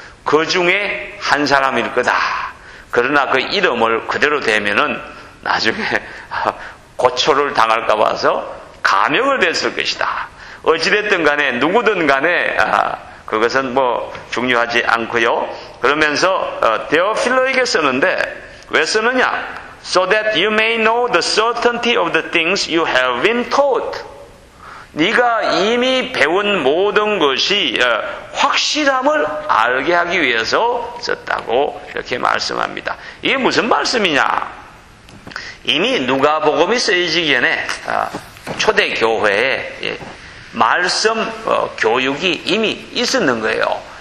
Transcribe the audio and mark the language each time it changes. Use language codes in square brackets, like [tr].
[ko] 그 중에 한 사람일 거다. 그러나 그 이름을 그대로 대면은 나중에 고초를 당할까 봐서 감형을 냈을 것이다. 어찌됐든 간에 누구든 간에 그것은 뭐 중요하지 않고요. 그러면서 데오필로에게 쓰는데 왜 쓰느냐? [en] So that you may know the certainty of the things you have been taught. [ko] 네가 이미 배운 모든 것이 확실함을 알게 하기 위해서 썼다고 이렇게 말씀합니다. 이게 무슨 말씀이냐? 이미 누가복음이 쓰여지기 전에 초대교회에 말씀 교육이 이미 있었는 거예요.